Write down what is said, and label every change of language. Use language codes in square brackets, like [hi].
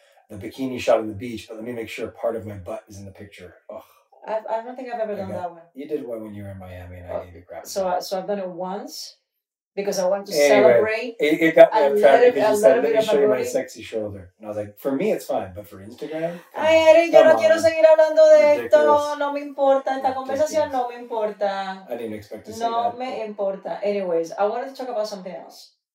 [en] the bikini shot on the beach, but let me make sure part of my butt is in the picture. Oh. I don't think I've ever done that one. You did one when you were in Miami, and I gave you crap. So I've done it once because I want to celebrate. It got me off track because you said, let me show you my sexy shoulder. And I was like, for me, it's fine, but for Instagram? [es] Ay, Eric, yo no quiero seguir hablando de esto. No me importa. Esta conversación no me importa. [en] I didn't expect to say [es] that. No me importa. [en] Anyways, I wanted to talk about something else.